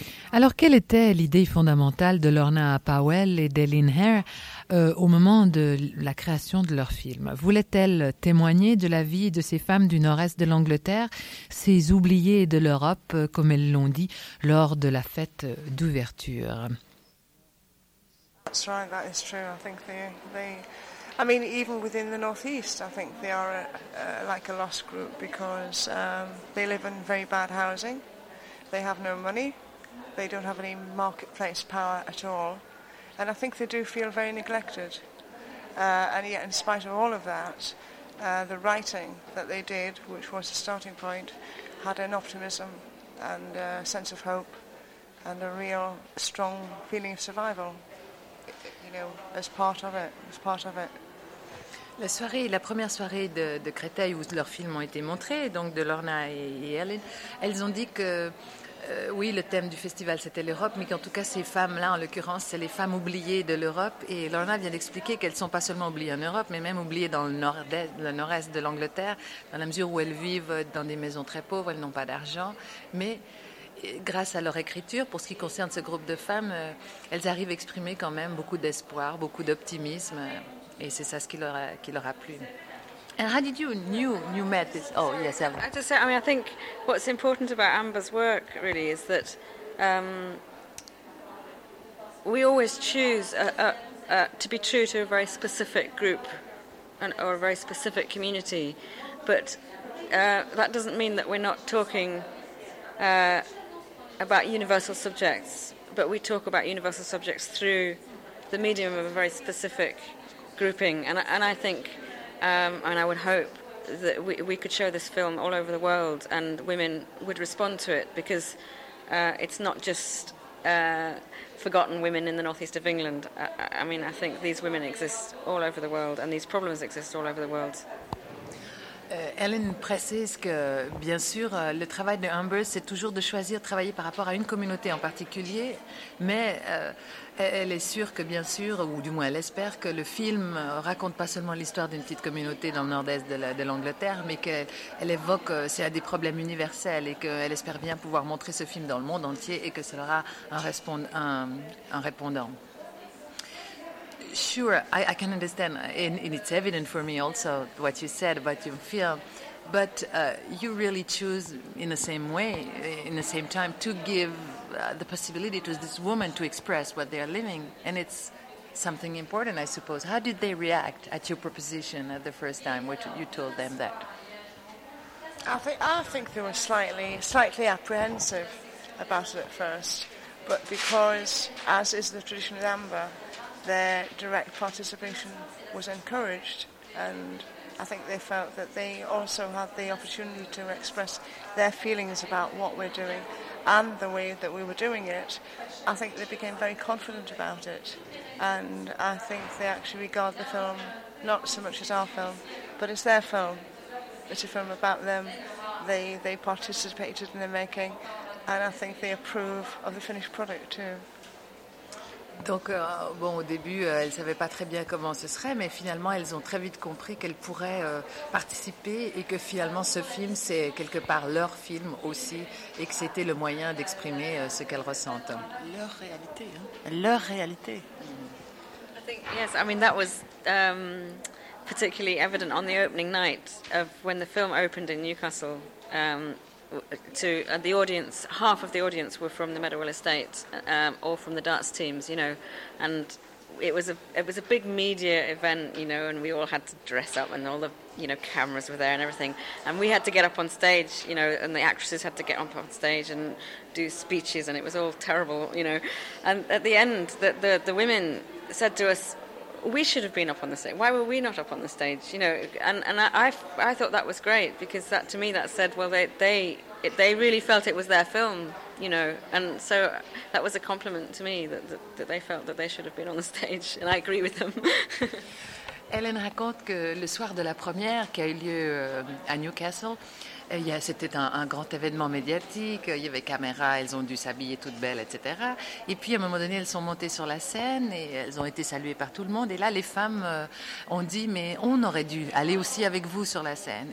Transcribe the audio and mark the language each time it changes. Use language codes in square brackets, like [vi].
[fr] Alors, quelle était l'idée fondamentale de Lorna Powell et d'Eileen Hare au moment de la création de leur film? Voulait-elle témoigner de la vie de ces femmes du nord-est de l'Angleterre, ces oubliées de l'Europe, comme elles l'ont dit lors de la fête d'ouverture? [en] That's right, that is true. I think they I mean, even within the Northeast, I think they are like a lost group because they live in very bad housing. They have no money. They don't have any marketplace power at all. And I think they do feel very neglected. And yet, in spite of all of that, the writing that they did, which was a starting point, had an optimism and a sense of hope and a real strong feeling of survival, you know, as part of it, as part of it. [fr] La première soirée de Créteil où leurs films ont été montrés, donc de Lorna et Ellen, elles ont dit que oui, le thème du festival c'était l'Europe, mais qu'en tout cas ces femmes-là, en l'occurrence, c'est les femmes oubliées de l'Europe. Et Lorna vient d'expliquer qu'elles sont pas seulement oubliées en Europe, mais même oubliées dans le nord-est de l'Angleterre, dans la mesure où elles vivent dans des maisons très pauvres, elles n'ont pas d'argent, mais grâce à leur écriture, pour ce qui concerne ce groupe de femmes, elles arrivent à exprimer quand même beaucoup d'espoir, beaucoup d'optimisme, et c'est ça ce qui leur a plu. [en] And how did you knew met this? Oh yes, Emma. I just say, I mean, I think what's important about Amber's work really is that we always choose to be true to a very specific group or a very specific community, but that doesn't mean that we're not talking about universal subjects, but we talk about universal subjects through the medium of a very specific grouping, and I think. And I would hope that we could show this film all over the world and women would respond to it because it's not just forgotten women in the northeast of England. I mean, I think these women exist all over the world and these problems exist all over the world. [fr] Ellen précise que, bien sûr, le travail de Amber, c'est toujours de choisir de travailler par rapport à une communauté en particulier, mais elle est sûre que, bien sûr, ou du moins elle espère que le film raconte pas seulement l'histoire d'une petite communauté dans le nord-est de l'Angleterre, mais qu'elle évoque c'est à des problèmes universels et qu'elle espère bien pouvoir montrer ce film dans le monde entier et que ça aura un répondant. [en] Sure, I can understand, and it's evident for me also what you said about your film, but you really choose in the same way, in the same time, to give the possibility to this woman to express what they are living, and it's something important, I suppose. How did they react at your proposition at the first time which you told them that? I think they were slightly apprehensive about it at first, but because, as is the tradition with Amber, their direct participation was encouraged, and I think they felt that they also had the opportunity to express their feelings about what we're doing and the way that we were doing it. I think they became very confident about it, and I think they actually regard the film not so much as our film, but as their film. It's a film about them. They participated in the making, and I think they approve of the finished product too. [fr] Donc, bon, au début, elles ne savaient pas très bien comment ce serait, mais finalement, elles ont très vite compris qu'elles pourraient participer et que finalement, ce film, c'est quelque part leur film aussi et que c'était le moyen d'exprimer ce qu'elles ressentent. Leur réalité, hein? Leur réalité. [en] I think, yes, I mean, that was particularly evident on the opening night of when the film opened in Newcastle. The audience, half of the audience were from the Meadowhill Estate or from the darts teams, you know, and it was a big media event, you know, and we all had to dress up and all the, you know, cameras were there and everything, and we had to get up on stage, you know, and the actresses had to get up on stage and do speeches, and it was all terrible, you know, and at the end the women said to us, we should have been up on the stage. Why were we not up on the stage? You know, and I thought that was great because that to me that said, well, they really felt it was their film, you know, and so that was a compliment to me that they felt that they should have been on the stage, and I agree with them. [fr] Ellen raconte que le soir de la première qui a eu lieu à Newcastle, c'était un grand événement médiatique, il y avait caméras, elles ont dû s'habiller toutes belles, etc. Et puis, à un moment donné, elles sont montées sur la scène et elles ont été saluées par tout le monde. Et là, les femmes ont dit, mais on aurait dû aller aussi avec vous sur la scène.